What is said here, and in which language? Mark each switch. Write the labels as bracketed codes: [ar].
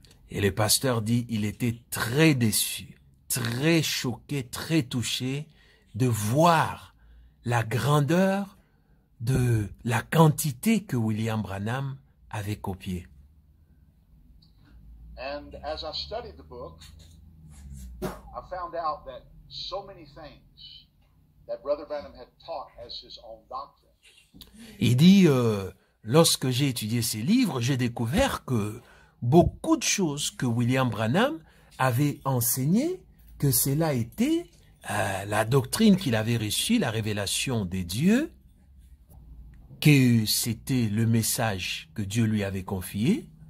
[fr] Et le pasteur dit, il était très déçu, très choqué, très touché de voir la grandeur de la quantité que William Branham avait copiée. [en] And as I studied the book, I found out that so many things that Brother Branham had taught as his own doctrine. [fr] Il dit, lorsque j'ai étudié ses livres, j'ai découvert que beaucoup de choses que William Branham avait enseignées, que cela était la doctrine qu'il avait reçue, la révélation des dieux, que c'était le message que Dieu lui avait confié.